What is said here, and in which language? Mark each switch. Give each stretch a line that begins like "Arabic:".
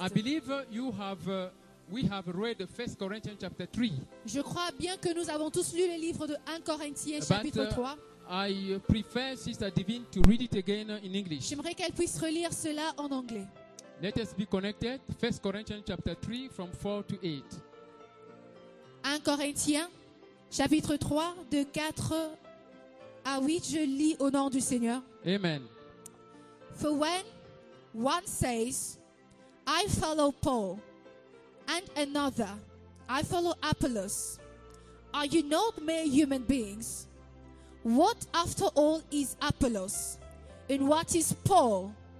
English: I believe you have we have read 1 Corinthians chapter 3.
French: Je crois bien que nous avons tous lu le livre de 1 Corinthiens chapitre 3.
English: I prefer Sister Divine to read it again in English.
French: J'aimerais qu'elle puisse relire cela en anglais.
English: Let us be connected. 1 Corinthians chapter 3 from 4 to 8.
French: 1 Corinthiens chapitre 3 de 4 à 8, je lis au nom du Seigneur.
English: Amen. For when one says, I follow Paul, and another, I follow Apollos, are you not mere human beings? What, after all, is Apollos? And what is Paul?